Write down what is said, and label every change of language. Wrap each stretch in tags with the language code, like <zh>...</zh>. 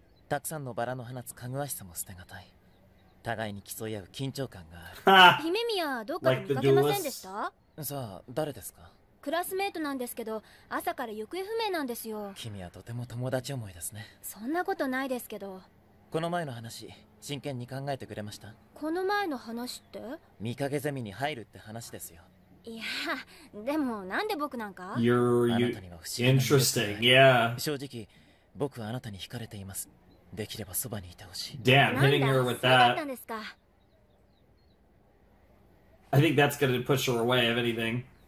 <en>Many flowers are attractive, but the smell is bad.</en> <ja>互いに競い合う緊張感がある。ヒメミア、どっか見かけませんでした？さあ、誰ですか？クラスメートなんですけど、朝から行方不明なんですよ。君はとても友達思いですね。そんなことないですけど。この前の話、真剣に考えてくれました？この前の話って？ミカゲゼミに入るって話ですよ。いや、でもなんで僕なんか？あなたには不思議な魅力がある。正直、僕はあなたに惹かれています。できればそばにいてほしい。</ja> <en>Damn, hitting her with that. I think that's gonna push her away, if anything.</en>